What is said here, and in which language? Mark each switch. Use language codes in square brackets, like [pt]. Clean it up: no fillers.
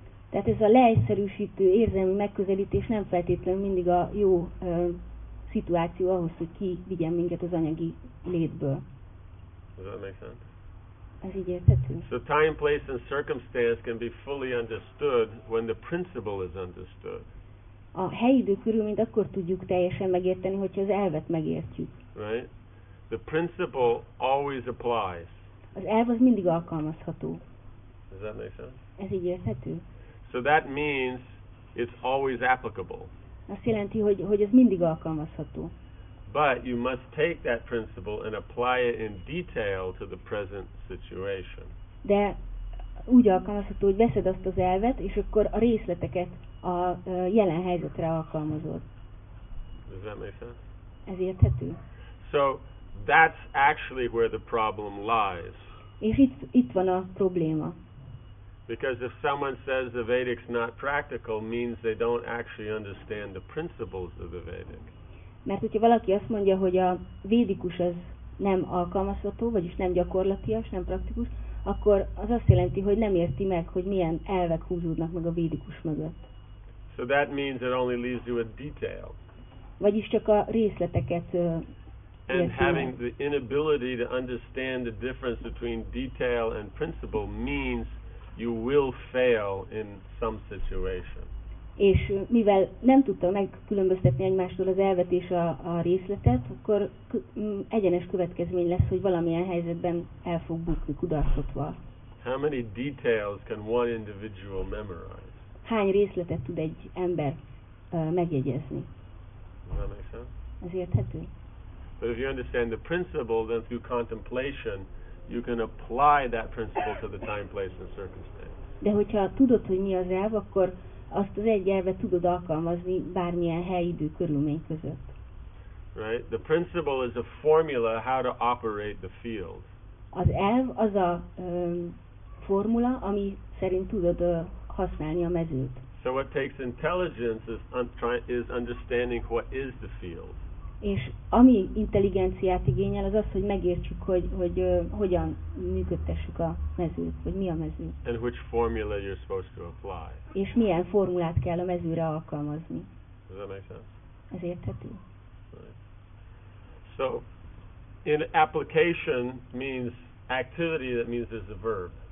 [hu] Tehát ez a leegyszerűsítő érzelmi megközelítés nem feltétlenül mindig a jó szituáció ahhoz, hogy ki vigyen minket az anyagi létből. [en] Does that make sense? [hu] Ez így érthető. [en] So time, place and circumstance can be fully understood when the principle is understood. [hu] A helyi idő körülményt akkor tudjuk teljesen megérteni, hogyha az elvet megértjük. [en] Right? The principle always applies. [hu] Az elv az mindig alkalmazható. [en] Does that make sense? [hu] Ez így érthető. [en] So that means it's always applicable. [hu] Azt jelenti, hogy ez mindig alkalmazható. [en] But you must take that principle and apply it in detail to the present situation. [hu] De úgy alkalmazható, hogy veszed azt az elvet, és akkor a részleteket a jelen helyzetre alkalmazod. [en] Does that make sense? [hu] Ez érthető. [en] So that's actually where the problem lies. [hu] És itt van a probléma. [en] Because if someone says the Vedic's not practical, means they don't actually understand the principles of the Vedic. [hu] Mert hogyha valaki azt mondja, hogy a védikus az nem alkalmazható, vagyis nem gyakorlatias, nem praktikus, akkor az azt jelenti, hogy nem érti meg, hogy milyen elvek húzódnak meg a védikus mögött. [en] So that means it only leaves you with detail. [hu] Vagyis csak a részleteket [en] And having the inability to understand the difference between detail and principle means you will fail in some situation. [hu] És mivel nem tudta megkülönböztetni egymástól az elvet és a részletet, akkor egyenes következmény lesz, hogy valamilyen helyzetben el fog bukni kudarcotva. [en] How many details can one individual memorize? [hu] Hány részletet tud egy ember megjegyezni? [en] Does that make sense? [hu] Ez érthető. [en] But if you understand the principle, then through contemplation, you can apply that principle to the time, place, and circumstance. [hu] De hogyha tudod, hogy mi az elv, akkor azt az egy elvet tudod alkalmazni bármilyen hely, idő, körülmény között. [en] Right? The principle is a formula how to operate the field. [hu] Az elv az a formula, ami szerint tudod használni a mezőt. [en] So what takes intelligence is understanding what is the field. [hu] És ami intelligenciát igényel, az az, hogy megértsük, hogy hogyan működtessük a mezőt, vagy mi a mező. [en] And which formula you're supposed to apply. [hu] És milyen formulát kell a mezőre alkalmazni. [en] Does that make sense? [hu] Ez érthető. [en] Right. So, in application means activity, that means there's a verb.